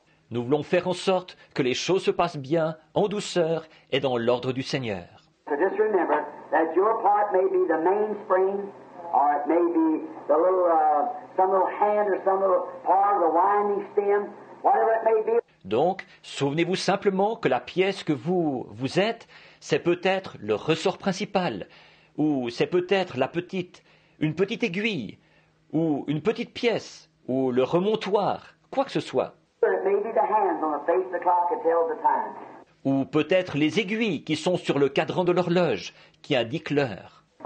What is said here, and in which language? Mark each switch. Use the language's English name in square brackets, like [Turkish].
[French] Nous voulons faire en sorte que les choses se passent bien, en douceur et dans l'ordre du Seigneur. [English] So just remember that your part may be the mainspring, or it may be the little, some little hand or some little part of the winding stem, whatever it may be. [French] Donc, souvenez-vous simplement que la pièce que vous êtes, c'est peut-être le ressort principal, ou c'est peut-être une petite aiguille, ou une petite pièce, ou le remontoir, quoi que ce soit. [English] It may be the hands on the face of the clock that tells the time. [French] Ou peut-être les aiguilles qui sont sur le cadran de l'horloge, qui indiquent l'heure.